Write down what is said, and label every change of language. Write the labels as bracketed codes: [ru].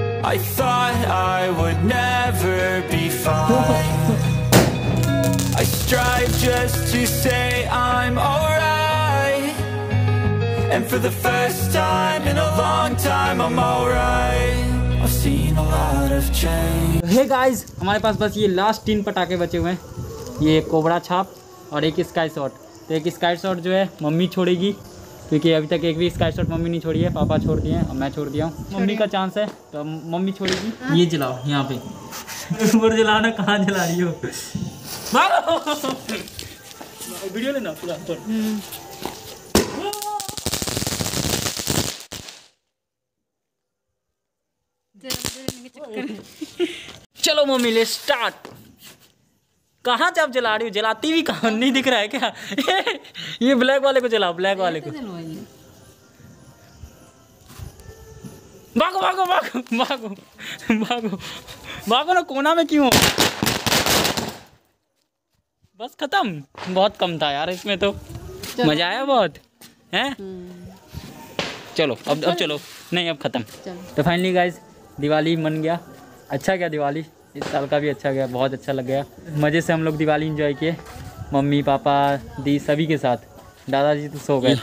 [en] I thought I would never be fine. I strive just to say I'm alright. And for the first time in a long time, I'm alright. I've seen a lot of change. Hey guys, [hi] हमारे पास बस ये last 3 पटाखे बचे हुए हैं, ये cobra छाप और एक स्काई शॉट। तो एक स्काई शॉट जो है मम्मी छोड़ेगी, क्योंकि अभी तक एक भी स्काई शॉट मम्मी नहीं छोड़ी है, पापा छोड़ दिए हैं और मैं छोड़ दिया हूँ। मम्मी का चांस है तो मम्मी छोड़ेगी। ये जलाओ यहाँ पे ऊपर जलाना, कहाँ जला रही हो मारो वीडियो लेना पूरा। चलो मम्मी ले स्टार्ट, कहाँ जब जला रही हो, जलाती भी कहाँ नहीं दिख रहा है क्या? ये ब्लैक वाले को जलाओ, ब्लैक वाले को। भागो भागो भागो भागो भागो भागो ना, कोना में क्यों हो? बस खत्म, बहुत कम था यार इसमें तो, मजा आया बहुत है। चलो अब चलो, नहीं अब खत्म। तो फाइनली गाइज दिवाली मन गया, अच्छा गया दिवाली, इस साल का भी अच्छा गया, बहुत अच्छा लग गया। मज़े से हम लोग दिवाली एंजॉय किए मम्मी पापा दी सभी के साथ। दादाजी तो सो गए,